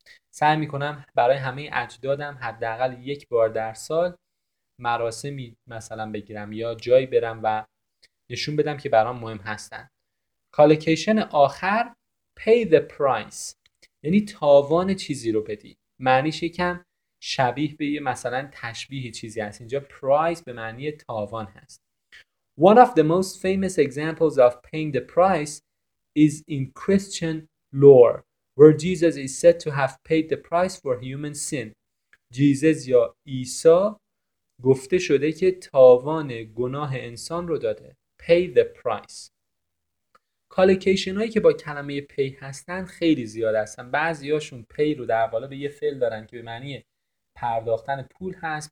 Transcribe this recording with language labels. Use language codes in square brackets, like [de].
[fa] سعی میکنم برای همه اجدادم حداقل یک بار در سال مراسمی مثلا بگیرم یا جایی برم و نشون بدم که برام مهم هستن. کالکیشن آخر، pay the price، یعنی تاوان چیزی رو بدی. معنیش یکم شبیه به یه مثلا تشبیه چیزی هست. اینجا price به معنی تاوان هست. [en] One of the most famous examples of paying the price is in Christian lore, where Jesus is said to have paid the price for human sin. [fa] Jesus یا عیسی گفته شده که تاوان گناه انسان رو داده. Pay the price. کالکیشن هایی که با کلمه pay هستن خیلی زیاد هستن. بعضی هاشون pay رو در قالب یه فعل دارن که به معنی پرداختن پول هست.